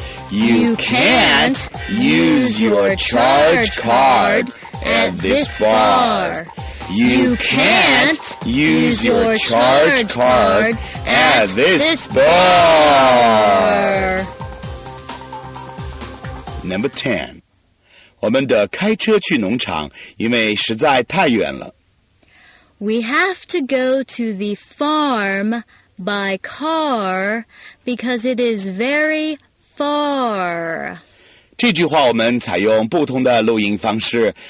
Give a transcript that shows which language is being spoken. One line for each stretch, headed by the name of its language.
English: You can't use your charge card at this bar. You can't use your charge card at this bar. Number 10.
Chinese: 我们得开车去农场，因为实在太远了。
English: We have to go to the farm by car because it is very far.
Chinese: 这句话我们采用不同的录音方式。